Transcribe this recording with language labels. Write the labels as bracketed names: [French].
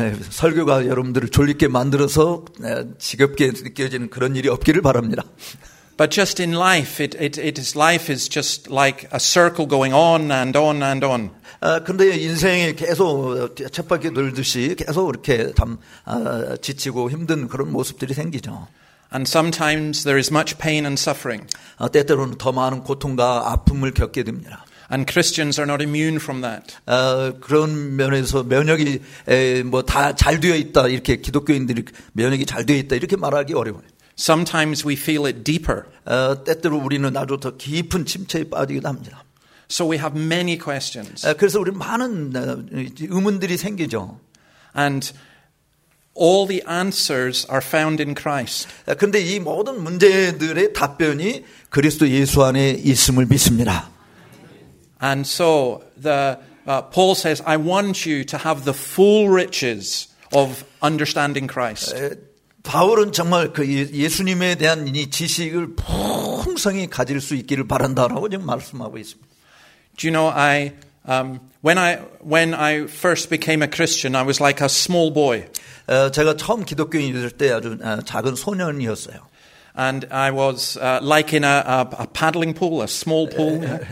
[Korean] 설교가 여러분들을 졸리게 만들어서 지겹게 느껴지는 그런 일이 없기를 바랍니다. [English] But just in life, it is life is just like a circle going on and on and on. [Korean] 근데 인생이 계속 쳇바퀴 돌듯이 계속 이렇게 지치고 힘든 그런 모습들이 생기죠. [English] And sometimes there is much pain and suffering. [Korean] 때때로는 더 많은 고통과 아픔을 겪게 됩니다. [English] And Christians are not immune from that. [Korean] 그런 면에서 면역이 뭐 다 잘 되어 있다 이렇게 기독교인들이 면역이 잘 되어 있다 이렇게 말하기 어려워요. [English] Sometimes we feel it deeper. [Korean] 때때로 우리는 아주 더 깊은 침체에 빠지기도 합니다. [English] So we have many questions. [Korean] 그래서 우리 많은 의문들이 생기죠. [English] And all the answers are found in Christ. [Korean] 근데 이 모든 문제들의 답변이 그리스도 예수 안에 있음을 믿습니다. [English] And so Paul says, "I want you to have the full riches of understanding Christ." [Korean] 바울은 정말 그 예수님에 대한 이 지식을 풍성히 가질 수 있기를 바란다라고 지금 말씀하고 있습니다. [English] Do you know when I first became a Christian, I was like a small boy. [Korean] 제가 처음 기독교인이 될 때 아주 작은 소년이었어요. [English] And I was like in a paddling pool, a small pool.